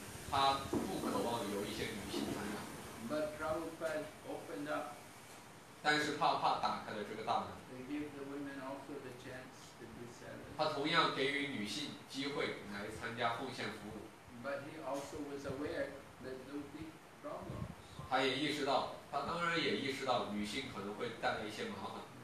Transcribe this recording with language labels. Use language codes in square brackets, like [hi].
[zh] 他不渴望有一些女性参加。 [en] But Prabhupada opened up. [zh] 但是帕帕打开了这个大门。 [en] They give the women also the chance to be servants. [zh] 他同样给予女性机会来参加奉献服务。 [en] But he also was aware that there would be problems. [zh] 他也意识到，他当然也意识到女性可能会带来一些麻烦。